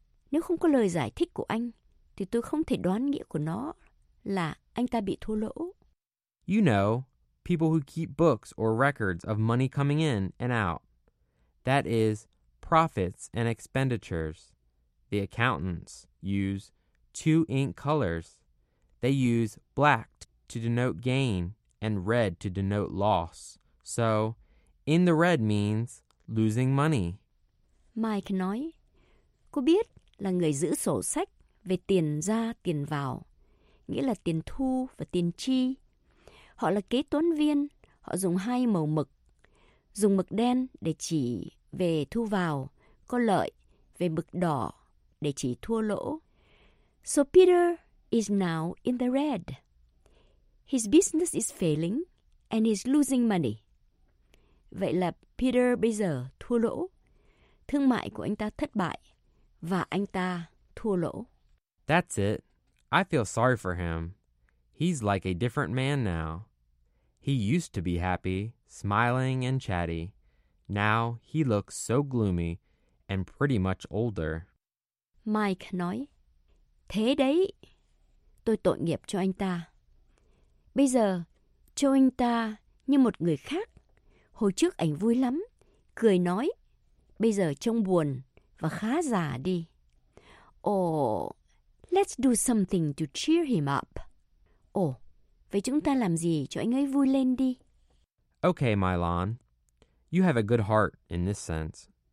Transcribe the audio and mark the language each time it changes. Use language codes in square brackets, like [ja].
[vi] Nếu không có lời giải thích của anh, thì tôi không thể đoán nghĩa của nó là anh ta bị thua lỗ. [en] You know, people who keep books or records of money coming in and out. That is, profits and expenditures. The accountants use 2 ink colors. They use black to denote gain and red to denote loss. So, in the red means losing money. [vi] Mike nói, cô biết là người giữ sổ sách về tiền ra tiền vào, nghĩa là tiền thu và tiền chi. Họ là kế toán viên, họ dùng 2 màu mực. Dùng mực đen để chỉ về thu vào, có lợi, về mực đỏ để chỉ thua lỗ. [en] So Peter is now in the red. His business is failing and he's losing money. [vi] Vậy là Peter bây giờ thua lỗ. Thương mại của anh ta thất bại và anh ta thua lỗ. [en] That's it. I feel sorry for him. He's like a different man now. He used to be happy, smiling and chatty. Now he looks so gloomy and pretty much older. [vi] Mike nói, thế đấy, tôi tội nghiệp cho anh ta. Bây giờ, cho anh ta như một người khác. Hồi trước anh vui lắm, cười nói, bây giờ trông buồn và khá già đi. [en] Oh, let's do something to cheer him up. [vi] Oh, vậy chúng ta làm gì cho anh ấy vui lên đi? [en] Okay, Mylan. You have a good heart in this sense.